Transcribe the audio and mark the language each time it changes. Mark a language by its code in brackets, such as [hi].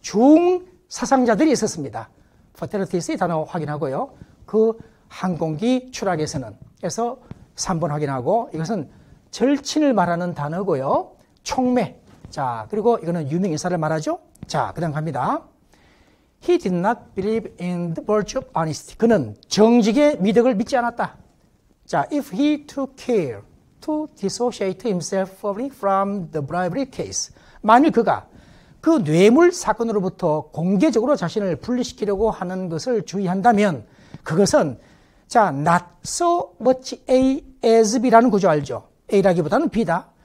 [ko] 중 사상자들이 있었습니다. Fatalities 단어 확인하고요. 그 항공기 추락에서는. 그래서 3번 확인하고 이것은 절친을 말하는 단어고요. 총매. 자, 그리고 이거는 유명인사를 말하죠. 자, 그 다음 갑니다. [en] He did not believe in the virtue of honesty. [ko] 그는 정직의 미덕을 믿지 않았다. [en] 자, if he took care to dissociate himself fully from the bribery case. [ko] 만일 그가 그 뇌물 사건으로부터 공개적으로 자신을 분리시키려고 하는 것을 주의한다면 그것은 자, [en] not so much A as B [ko] 라는 구조 알죠? A라기보다는 B다.